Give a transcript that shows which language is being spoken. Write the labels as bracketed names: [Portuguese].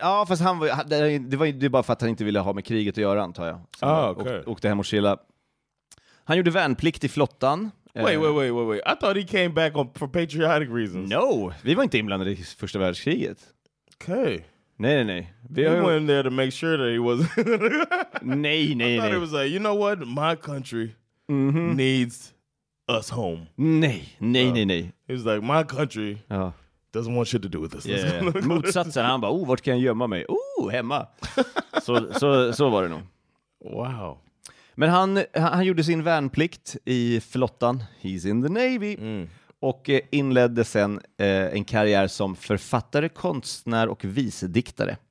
[Swedish] Ja, fast han var, det var bara för att han inte ville ha med kriget att göra, antar jag. Åkte hem och chilla. Han gjorde värnplikt i flottan. [English] Wait. I thought he came back for patriotic reasons. [Swedish] No, vi var inte inblandade i första världskriget. [English] Okay. [Swedish] Nej. [English] He went in there to make sure that he wasn't... [Swedish] Nej. [English] I thought he was like, you know what? My country needs us home. [Swedish] Nej. [English] He was like, my country doesn't want shit to do with us. Yeah. [Swedish] Motsatsen, han bara, vart kan jag gömma mig? Hemma. så var det nog. [English] Wow. [Swedish] Men han gjorde sin värnplikt i flottan. [English] He's in the Navy. [Swedish] Mm. Och inledde sen en karriär som författare, konstnär och visediktare.